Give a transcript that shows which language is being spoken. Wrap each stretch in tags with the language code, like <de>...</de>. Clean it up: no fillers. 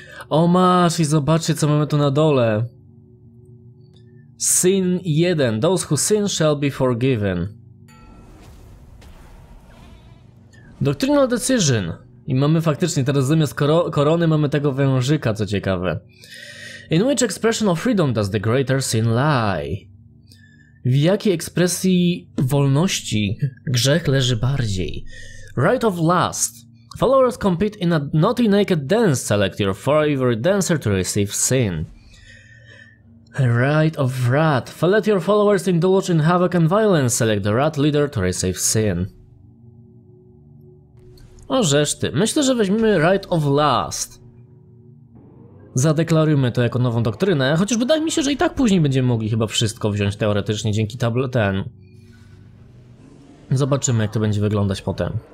<pl>O masz, i zobaczcie co mamy tu na dole.</pl> <en>Sin 1. Those who sin shall be forgiven. Doctrinal decision.</en> <pl>I mamy faktycznie, teraz zamiast korony mamy tego wężyka, co ciekawe.</pl> <en>In which expression of freedom does the greater sin lie?</en> <pl>W jakiej ekspresji wolności grzech leży bardziej?</pl> <en>Rite of lust. Followers compete in a naughty naked dance. Select your favorite dancer to receive sin. Rite of wrath. Let your followers indulge in havoc and violence. Select the wrath leader to receive sin.</en> <pl>O rzeszty. Myślę, że weźmiemy rite of lust. Zadeklarujmy to jako nową doktrynę, chociaż wydaje mi się, że i tak później będziemy mogli chyba wszystko wziąć teoretycznie dzięki tabletem. Zobaczymy, jak to będzie wyglądać potem.</pl>